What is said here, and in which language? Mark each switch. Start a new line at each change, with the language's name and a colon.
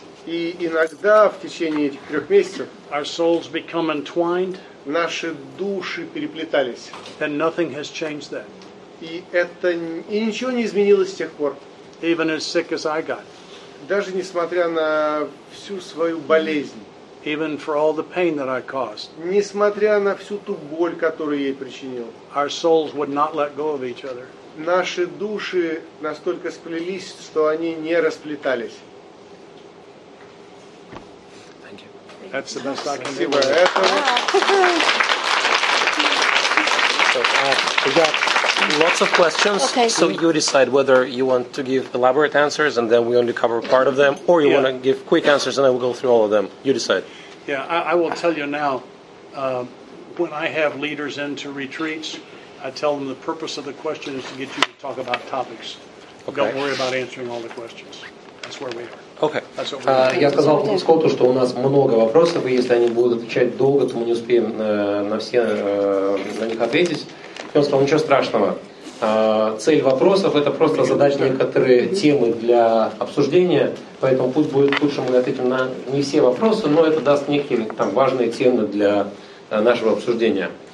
Russian: И иногда в течение этих 3 месяцев
English: our souls become entwined,
Russian: наши души переплетались.
English: And nothing has changed then.
Russian: И ничего не изменилось с тех пор.
English: Even as sick as I got.
Russian: Даже несмотря на всю свою болезнь.
English: Even for all the pain that I caused.
Russian: Несмотря на всю ту боль, которую ей причинил.
English: Our souls would not let go of each other.
Russian: Наши души настолько сплелись, что они не расплетались.
English: That's the best I can see. So, we got lots of questions. Okay. So you decide whether you want to give elaborate answers and then we only cover part of them, or you want to give quick answers and then we'll go through all of them. You decide. Yeah, I will tell you now, when I have leaders into retreats, I tell them the purpose of the question is to get you to talk about topics. Okay. Don't worry about answering all the questions. That's where we are.
Russian: Я сказал Скотту, что у нас много вопросов, и если они будут отвечать долго, то мы не успеем на все на них ответить. И он сказал, ничего страшного. Цель вопросов – это просто задать некоторые темы для обсуждения, поэтому пусть будет лучше, мы ответим на не все вопросы, но это даст некие там важные темы для нашего обсуждения.